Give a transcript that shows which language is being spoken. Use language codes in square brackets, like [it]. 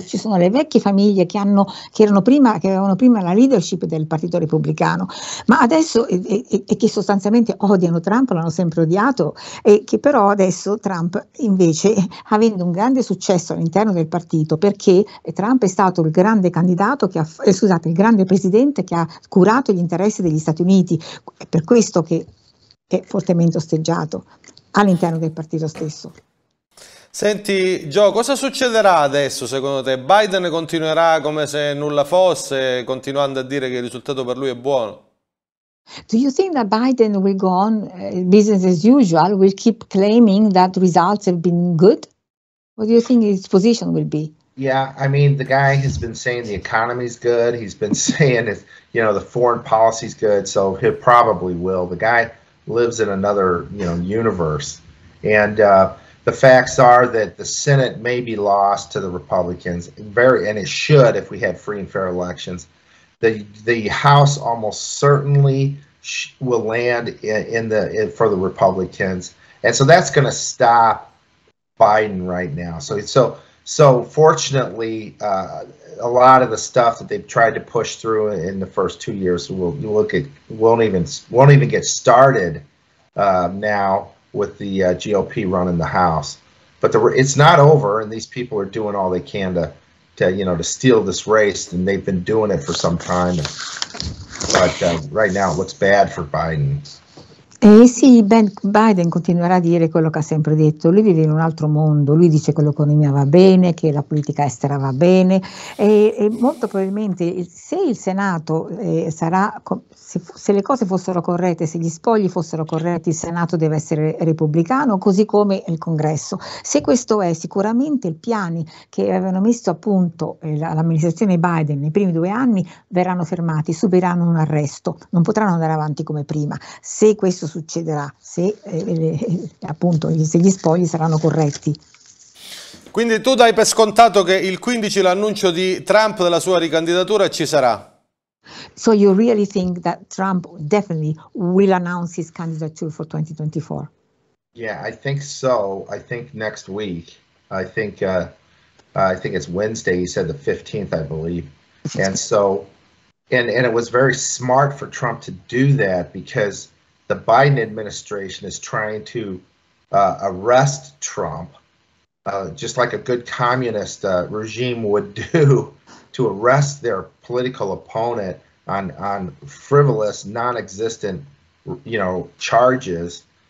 [it] Ci sono le vecchie famiglie che hanno, che erano prima, che avevano prima la leadership del Partito Repubblicano, ma adesso e che sostanzialmente odiano Trump, l'hanno sempre odiato, e che però adesso Trump invece, avendo un grande successo all'interno del partito, perché Trump è stato il grande candidato che ha, scusate, il grande presidente che ha curato gli interessi degli Stati Uniti, è per questo che è fortemente osteggiato all'interno del partito stesso. Senti, Gio, cosa succederà adesso secondo te? Biden continuerà come se nulla fosse, continuando a dire che il risultato per lui è buono? [en] Do you think that Biden will go on business as usual, will keep claiming that results have been good? What do you think his position will be? Yeah, I mean, the guy has been saying the economy is good. He's been saying, if, you know, the foreign policy is good. So he probably will. The guy lives in another, you know, universe. And the facts are that the Senate may be lost to the Republicans. Very, and it should if we had free and fair elections. The House almost certainly will land in for the Republicans. And so that's going to stop Biden right now. So fortunately, a lot of the stuff that they've tried to push through in the first 2 years won't even get started now with the GOP running the House. But it's not over, and these people are doing all they can to steal this race, and they've been doing it for some time. But right now, it looks bad for Biden. [it] Sì, Ben Biden continuerà a dire quello che ha sempre detto. Lui vive in un altro mondo, lui dice che l'economia va bene, che la politica estera va bene, e molto probabilmente se il Senato sarà, se le cose fossero corrette, se gli spogli fossero corretti, il Senato deve essere repubblicano, così come il Congresso. Se questo è, sicuramente i piani che avevano messo a punto l'amministrazione Biden nei primi 2 anni verranno fermati, subiranno un arresto, non potranno andare avanti come prima. Se questo succederà, se appunto gli spogli saranno corretti. Quindi tu dai per scontato che il 15 l'annuncio di Trump della sua ricandidatura ci sarà? [en] So you really think that Trump definitely will announce his candidature for 2024? Yeah, I think so. I think next week. I think it's Wednesday. He said the 15th, I believe. And so, and it was very smart for Trump to do that, because the Biden administration is trying to arrest Trump, just like a good communist regime would do, to arrest their political opponent on frivolous, non-existent, you know, charges.